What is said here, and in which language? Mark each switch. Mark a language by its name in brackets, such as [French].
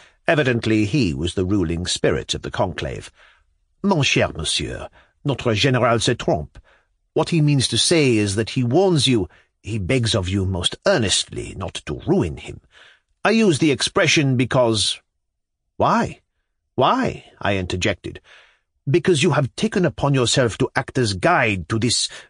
[English] Evidently he was the ruling spirit of the conclave. [French] "Mon cher monsieur, notre général se trompe. [English] What he means to say is that he warns you, he begs of you most earnestly not to ruin him. I use the expression because..." "Why? Why?" I interjected. "Because you have taken upon yourself to act as guide to this...